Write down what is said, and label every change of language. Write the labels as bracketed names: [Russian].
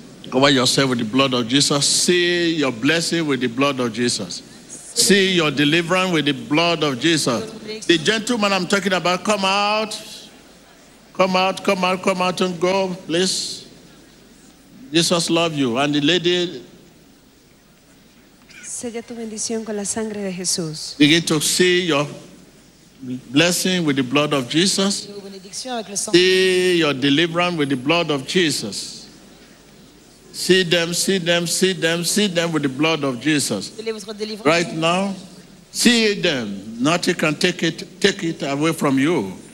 [English] Cover yourself with the blood of Jesus. See your blessing with the blood of Jesus. See your deliverance with the blood of Jesus. The gentleman I'm talking about, come out. Come out, come out, come out and go, please. Jesus loves you. And the lady... [Spanish] Sella tu bendición con la sangre de Jesús. [English] Begin to see your blessing with the blood of Jesus. See your deliverance with the blood of Jesus. See them, see them, see them, see them with the blood of Jesus. Right now, see them. Nothing can take it away from you.